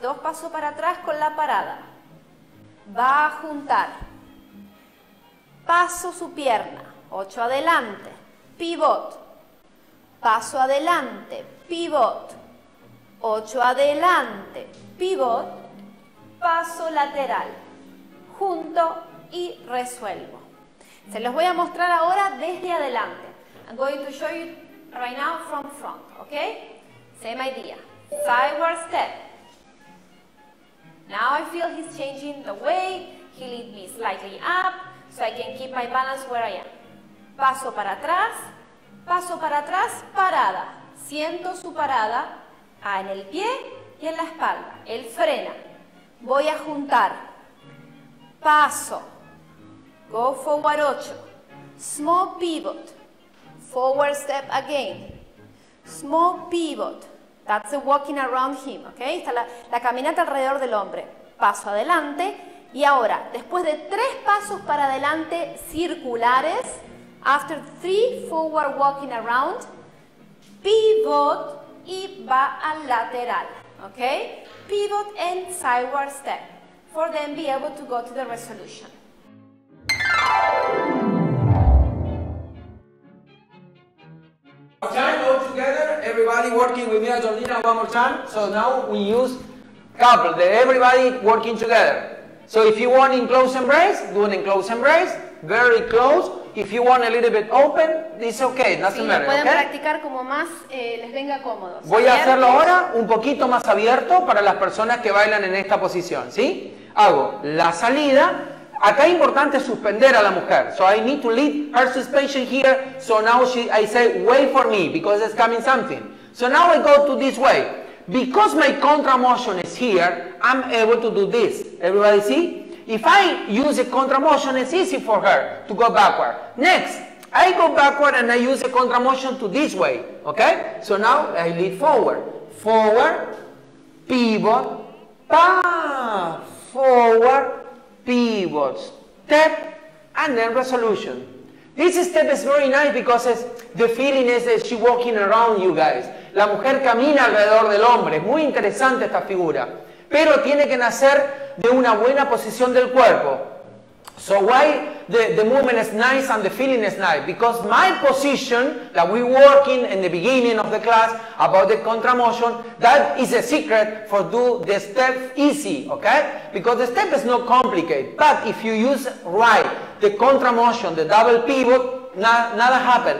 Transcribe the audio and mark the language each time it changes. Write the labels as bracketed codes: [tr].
[es] Dos pasos para atrás con la parada. Va a juntar, paso su pierna, 8 adelante, pivot, paso adelante, pivot, 8 adelante, pivot, paso lateral, junto y resuelvo. Se los voy a mostrar ahora desde adelante. [en] I'm going to show you right now from front, ok? Same idea, sideward step. Now I feel he's changing the way, he lead me slightly up, so I can keep my balance where I am. [es] Paso para atrás, parada. Siento su parada en el pie y en la espalda. Él frena. Voy a juntar. Paso. [en] Go forward 8. Small pivot. Forward step again. Small pivot. That's the walking around him, okay? [es] Está la caminata alrededor del hombre. Paso adelante y ahora, después de tres pasos para adelante circulares, after three forward walking around, pivot y va al lateral, ¿ok? [en] Pivot and sideward step, for then be able to go to the resolution. Okay, all together, everybody working with me, Jordina, one more time. So now we use couple, the everybody working together. So if you want in close embrace, do an in close embrace, very close. If you want a little bit open, it's okay, nothing matter, [es] pueden [en] okay? [es] Practicar como más les venga cómodo. Voy abierto. A hacerlo ahora un poquito más abierto para las personas que bailan en esta posición, ¿sí? Hago la salida. Acá es importante suspender a la mujer. [en] So I need to leave her suspension here. So now I say, wait for me, because it's coming something. So now I go to this way. Because my contra motion is here, I'm able to do this. Everybody see? If I use a contra motion, it's easy for her to go backward. Next, I go backward and I use a contra motion to this way. Okay? So now I lead forward. Forward, pivot, pa, forward, pivot, step, and then resolution. This step is very nice because the feeling is that she's walking around you guys. [es] La mujer camina alrededor del hombre. Es muy interesante esta figura. Pero tiene que nacer de una buena posición del cuerpo. [en] So why the movement is nice and the feeling is nice? Because my position that we work in the beginning of the class about the contra motion, that is a secret for do the step easy, okay? Because the step is not complicated, but if you use right the contra motion, the double pivot, nada happen.